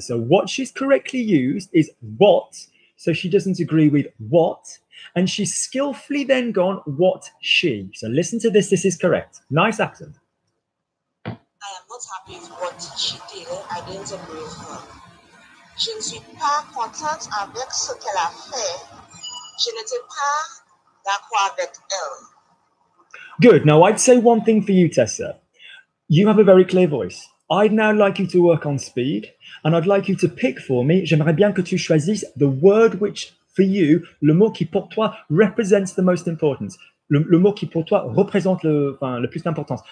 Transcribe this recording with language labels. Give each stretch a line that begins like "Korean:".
English: So what she's correctly used is what, so she doesn't agree with what, and she's skillfully then gone what she. So listen to this, this is correct. Nice accent. I am not happy with what she did. I didn't agree with her.
French: Je ne suis pas content avec ce qu'elle a fait. Je n'étais pas d'accord avec elle.
English: Good. Now, I'd say one thing for you, Tessa. You have a very clear voice. I'd now like you to work on speed, and I'd like you to pick for me,
French: j'aimerais bien que tu choisisses
English: the word which, for you,
French: le mot qui pour toi
English: represents the most importance.
French: Le mot qui pour toi représente le plus d'importance.